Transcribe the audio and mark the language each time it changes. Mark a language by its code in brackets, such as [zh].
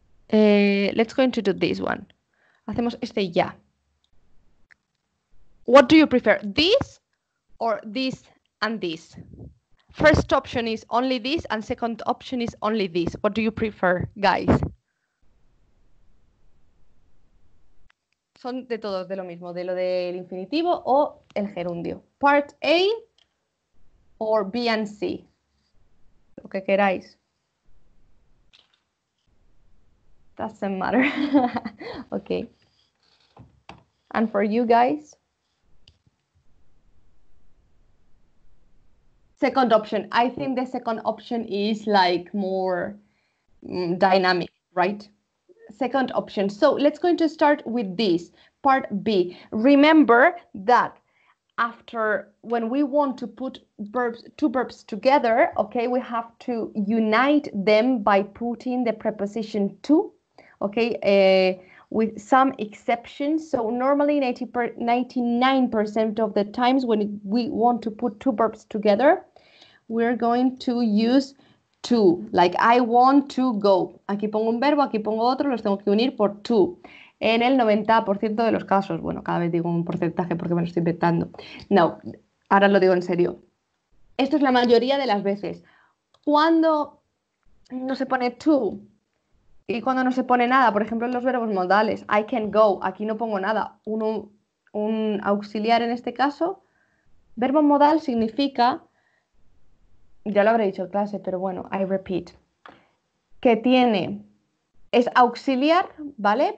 [en] Let's going to do this one. [es] Hacemos este ya. [en] What do you prefer? This or this and this? First option is only this and second option is only this. What do you prefer, guys? [es] Son de todos de lo mismo, de lo del infinitivo o el gerundio. [en] Part A or B and C. [es] Lo que queráis. [en] Doesn't matter. Okay. And for you guys? Second option. I think the second option is like more dynamic, right? Second option. So let's going to start with this, part B. Remember that after when we want to put verbs, two verbs together, okay, we have to unite them by putting the preposition to. Okay, with some exceptions. So normally 99% of the times when we want to put two verbs together, we're going to use to, like I want to go. [es] Aquí pongo un verbo, aquí pongo otro, los tengo que unir por to. En el 90% de los casos, bueno, cada vez digo un porcentaje porque me lo estoy inventando. No, ahora lo digo en serio. Esto es la mayoría de las veces. Cuando no se pone to, y cuando no se pone nada, por ejemplo, en los verbos modales, [en] I can go, [es] aquí no pongo nada, un auxiliar en este caso, verbo modal significa, ya lo habré dicho en clase, pero bueno, [en] I repeat, [es] que tiene, es auxiliar, ¿vale?